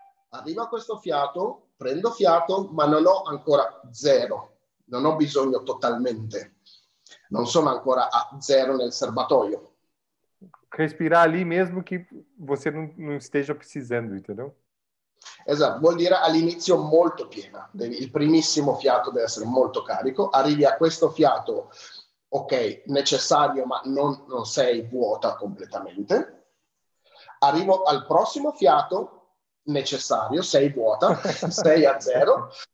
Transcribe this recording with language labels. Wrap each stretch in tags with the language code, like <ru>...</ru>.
<it>Arrivo a questo fiato, prendo fiato, ma non ho ancora zero. Non ho bisogno totalmente. Non sono ancora a zero nel serbatoio.</it> <pt>Respirar ali mesmo que você não esteja precisando, entendeu? Exato.</pt> <it>Vuol dire all'inizio molto piena. Il primissimo fiato deve essere molto carico. Arrivi a questo fiato, ok, necessario, ma non sei vuota completamente. Arrivo al prossimo fiato, necessario, sei vuota, sei a zero.</it>